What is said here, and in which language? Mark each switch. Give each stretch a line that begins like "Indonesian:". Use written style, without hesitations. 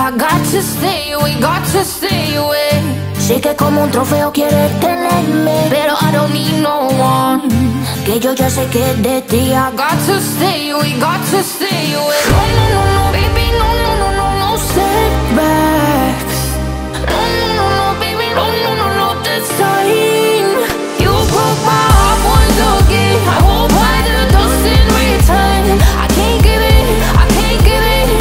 English: I got to stay away, got to stay away.
Spanish: Sé que como un trofeo quieres tenerme, pero
English: I don't need no one,
Spanish: que yo ya sé que es de ti.
English: I got to stay away, got to stay away. No, no, no, no, baby, no, no, no, no, no setbacks. No, no, no, no, baby, no, no, no, no, this time. You broke my heart once again. I won't buy the dust in return. I can't give in, I can't give in.